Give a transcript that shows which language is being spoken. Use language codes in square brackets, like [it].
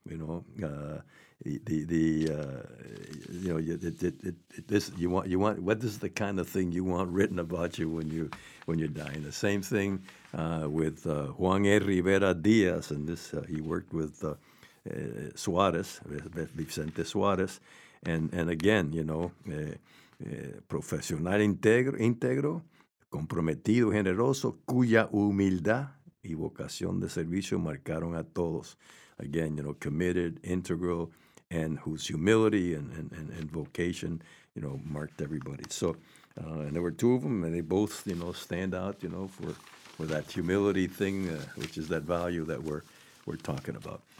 [en] You know, you want what is the kind of thing you want written about you when you're dying? The same thing with Juan E. Rivera Diaz, and this he worked with Vicente Suarez, and again, you know, [es] profesional íntegro. Comprometido, generoso, cuya humildad y vocación de servicio marcaron a todos. [en] Again, you know, committed, integral, and whose humility and vocation, you know, marked everybody. So, and there were two of them, and they both, you know, stand out, you know, for that humility thing, which is that value that we're talking about.